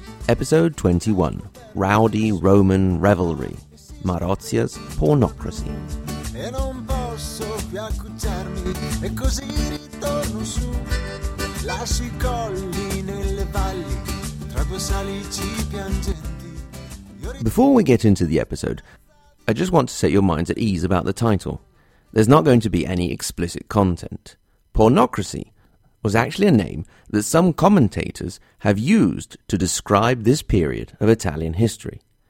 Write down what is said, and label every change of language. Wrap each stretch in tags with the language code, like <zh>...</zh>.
<en>Episode 21, Rowdy Roman Revelry, Marozia's Pornocracy.</en> <it>E non posso più accucciarmi, e così ritorno su. Lascio i colli nelle valli, tra due salici piangenti.</it> <en>Before we get into the episode, I just want to set your minds at ease about the title. There's not going to be any explicit content. Pornocracy was actually a name that some commentators have used to describe this period of Italian history.</en>